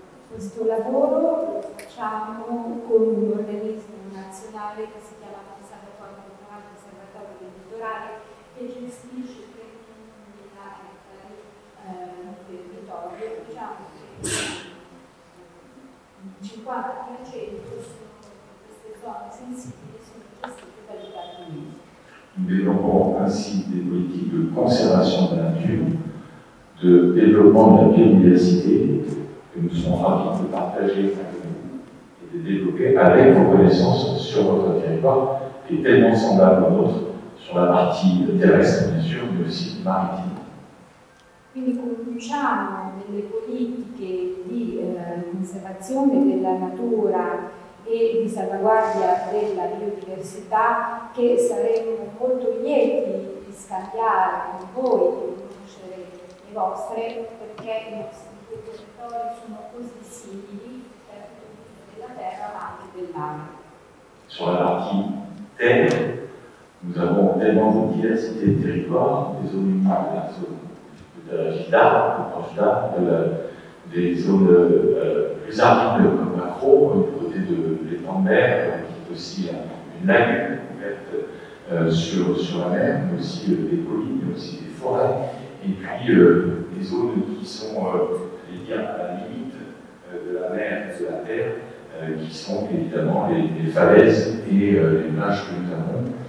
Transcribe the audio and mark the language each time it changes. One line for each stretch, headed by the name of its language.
Italian: Questo lavoro facciamo con un organismo nazionale che si chiama Conservatorio del Litorale, che gestisce 31.000 ettari del territorio, diciamo che il 50% sono queste zone sensibili sono gestite dal Dipartimento.
French: Nous développons ainsi des politiques de conservation de la nature, de développement de la biodiversité, que nous sommes ravis de partager avec vous et de développer avec vos connaissances sur votre territoire, qui est tellement semblable au nôtre, sur la partie terrestre, bien sûr, mais aussi maritime.
Italian: Quindi conduciamo delle politiche di conservazione della natura e di salvaguardia della biodiversità che saremmo molto lieti di scambiare con voi, di conoscere le vostre, perché i nostri due territori sono così simili per tutto il mondo della terra ma anche del mare.
French: Sur la partie terre, nous avons tellement de diversité de territoire, des zones humides, des zones d'arbres, proches d'arbres, des zones plus arides comme la Croix, du côté de l'étang de mer, qui est aussi une lagune ouverte sur la mer, mais aussi des collines, mais aussi des forêts, et puis des zones qui sont, j'allais dire, à la limite de la mer et de la terre, qui sont évidemment les falaises et les plages que nous avons.